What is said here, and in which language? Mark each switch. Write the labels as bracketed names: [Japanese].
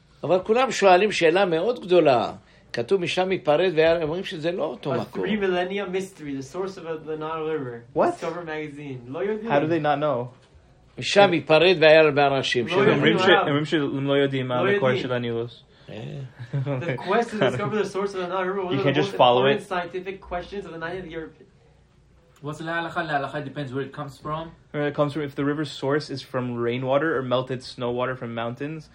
[Hebrew] אבל כולם שואלים שאלה מאוד גדולה. כתוב משם מתפרד, ואומרים שזה לא אותו מקום. [English] A three millennia mystery, the source of the Nile River. What? [Hebrew] Discover magazine. לא יודעים. [English] How do they not know? [Hebrew] משם מתפרד, והיה הרבה אנשים. אומרים שהם לא יודעים מה המקור של הנילוס. [English] The quest to discover the source of the Nile River. You can just follow it. Scientific questions of the 19th year... What's the halacha? The halacha depends where it comes from. Where it comes from, if the river's source is from rainwater or melted snow water from mountains,